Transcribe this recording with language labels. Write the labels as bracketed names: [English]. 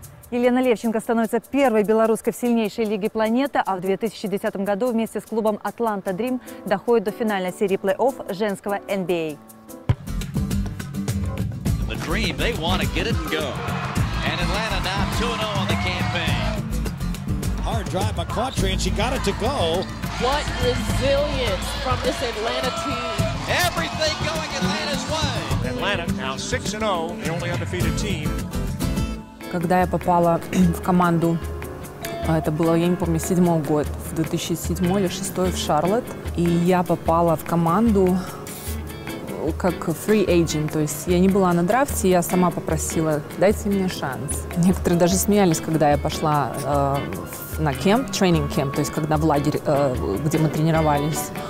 [Russian] Елена Левченко становится первой белорусской в сильнейшей лиге планеты, а в 2010 году вместе с клубом «Атланта Дрим» доходит до финальной серии плей-офф женского NBA. [English] The Dream, they want to get it and go. And Atlanta now 2-0 on the campaign. Hard drive by Quatre, and she got it to go. What resilience from this Atlanta team. Everything going Atlanta's way. Atlanta now 6-0, the only undefeated team. [Russian] Когда я попала в команду Это было, я не помню, 2007 год, в 2007 или 2006 в Шарлотт. И я попала в команду как free agent, то есть я не была на драфте, я сама попросила, дайте мне шанс. Некоторые даже смеялись, когда я пошла на кемп, training camp, то есть когда в лагерь, где мы тренировались.